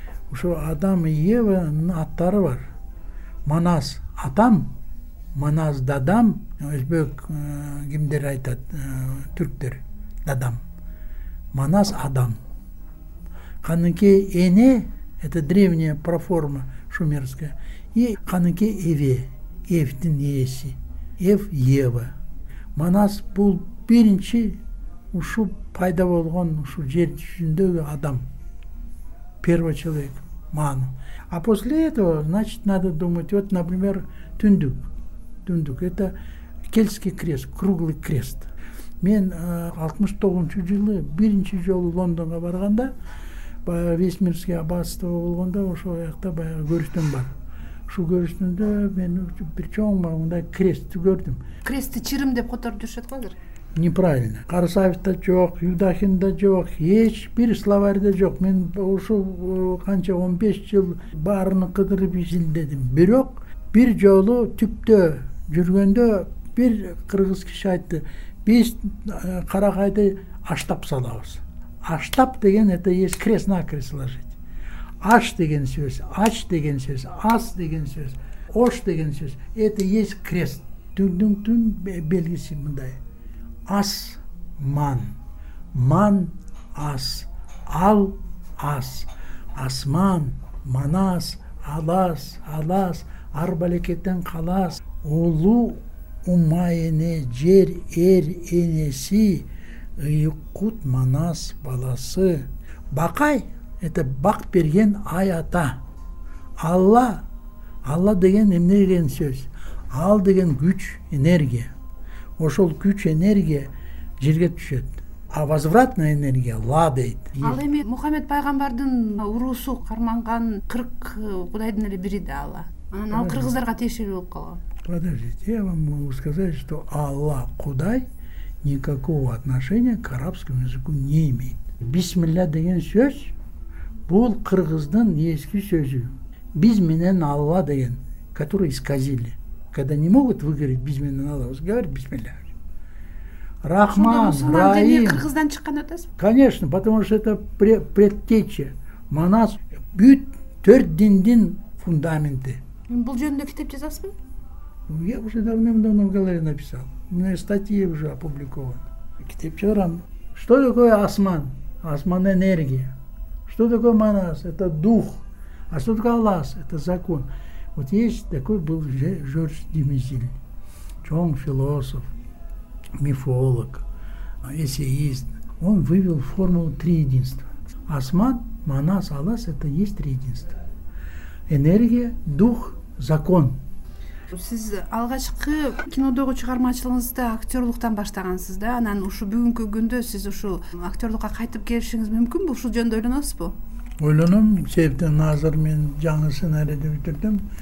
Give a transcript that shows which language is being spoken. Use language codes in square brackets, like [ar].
[ky] Ошо адам и Еванын аттары бар. Манас атам, Манас дадам, өзбек кимдер айтат, түрктер дадам. Манас адам. Канынки эне [ru] это древняя проформа шумерская. [ky] И ханыки Эве, Эвтин ееси, Эв Ева. Манас бул биринчи ушу пайда болгон ушу жер жүзүндөгү адам. [ru] Первый человек, ману. А после этого, значит, надо думать, вот, например, түндүк. Түндүк, это кельтский крест, круглый крест. [ky] Мен 69 жылы биринчи жолу Лондонго барганда, баягы [ru] Вестминстерский аббатство [ky] болгондо, ошол жакта баягы көрүштөн бар. Ушу көрүшүндө мен бир чоң мындай крестти көрдүм. Крестти чырым деп которуп жүрүшөт го азыр? [ru] Неправильно. [ky] Карасаевда жок, Юдахинда жок, эч бир словарда жок. Мен ушу канча 15 жыл баарын кыдырып изилдедим. Бирок бир жолу түптө жүргөндө бир кыргыз киши айтты. Биз Каракайды аштап салабыз. Аштап деген [ru] это есть крест на крест ложить. [ky] Аш деген сөз, ач деген сөз, ас деген сөз, ош деген сөз. [ru] Это есть крест. [ky] Түндүктүн белгиси мындай. Ас, ман. Ман, ас. Ал, ас. Асман, манас, алас, алас. Арбалекеттен калас. Улу, умайене, жер, эр, энеси. Ыйыккут, манас, баласы. Бакай. Это бак берген ай ата. Алла. Алла деген эмне деген сөз? Ал деген күч, энергия. Ошол күч, энергия жерге түшөт. [ru] А возвратная энергия ла дейт. [ky] Ал эми Мухаммед пайгамбардын уруусу карманган 40 кудайдын эле бири да Алла. Анан ал кыргыздарга тиешелүү болуп калган. [ru] Подождите, я вам могу сказать, что [ky] Алла кудай [ru] никакого отношения к арабскому языку не имеет. [ky] Бисмилля деген сөз. Бул кыргыздын эски сөзү. Биз менен Алла деген, [ru] который исказили. Когда не могут выговорить биз менен Алла, говорит бисмилля. [ky] Рахман, Раим. Шонда мусулман дини кыргыздан чыккан атасыз? [ru] Конечно, потому что это предтеча. [ky] Манас бүт төрт диндин фундаменти. Бул жөнүндө китеп жазасызбы? [ru] Я уже давным-давно в галерее написал. У меня статья уже опубликована. [ky] Китеп чыгарам. [ru] Что такое асман? Асман энергия. Что такое манас? Это дух. А что такое алас? Это закон. Вот есть такой был Жорж Демизиль. [ky] Чон философ, [ru] мифолог, эссеист. Он вывел формулу три единства. Асман, манас, алас – это есть три единства. Энергия, дух, закон. Сиз алгачкы кинодогу чыгармачылыгыңызда актёрлуктан баштагансыз да, анан ушу бүгүнкү күндө сиз ушул актёрлукка кайтып келишиңиз мүмкүнбү? Ушул жөнүндө ойлоносузбу? Ойлоном, себептен азыр мен жаңы сценарийди бүтүрдүм.